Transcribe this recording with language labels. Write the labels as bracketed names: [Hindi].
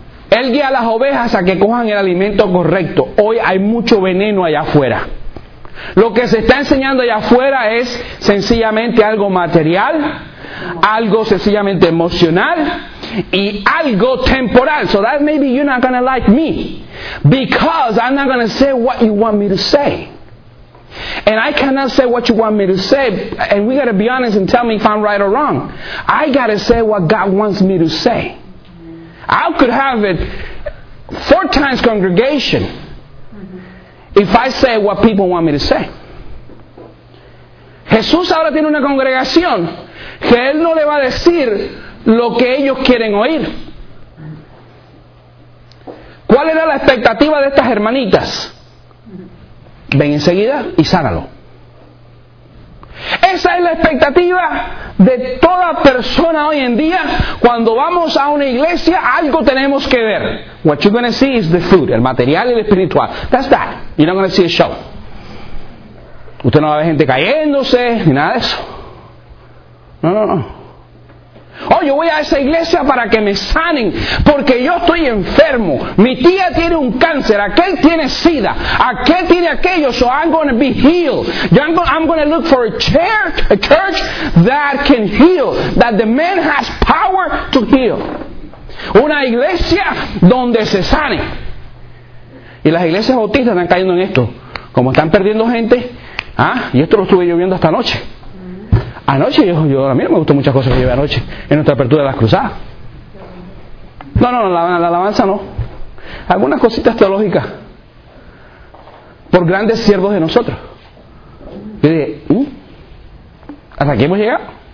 [Spanish] Él guía a las ovejas a que cojan el alimento correcto. Hoy hay mucho veneno allá afuera. Lo que se está enseñando allá afuera es sencillamente algo material, algo sencillamente emocional y algo temporal. [English] So that maybe you're not going to like me because I'm not going to say what you want me to say. And I cannot say what you want me to say, and we got to be honest and tell me if I'm right or wrong. I got to say what God wants me to say. I could have it 4 times congregation if I say what people want me to say. [Spanish] Jesús ahora tiene una congregación que Él no le va a decir lo que ellos quieren oír. ¿Cuál era la expectativa de estas hermanitas? Ven enseguida y sánalo. Esa es la expectativa de toda persona hoy en día. Cuando vamos a una iglesia, algo tenemos que ver. [English] What you're going to see is the food, [Spanish] el material y el espiritual. [English] That's that. You're not going to see a show. [Spanish] Usted no va a ver gente cayéndose ni nada de eso. No. Oh, yo voy a esa iglesia para que me sanen, porque yo estoy enfermo. Mi tía tiene un cáncer, aquel tiene sida, aquel tiene aquello. [English] So I'm going to be healed. I'm going to look for a church that can heal, that the man has power to heal. [Spanish] Una iglesia donde se sane. Y las iglesias bautistas están cayendo en esto, como están perdiendo gente, ¿ah? Y esto lo estuve yo viendo hasta anoche. Anoche yo a mí no me gustó muchas cosas que llevé anoche en nuestra apertura de las cruzadas. No, la alabanza no. Algunas cositas teológicas por grandes siervos de nosotros. Yo dije, ¿Hasta aquí hemos llegado?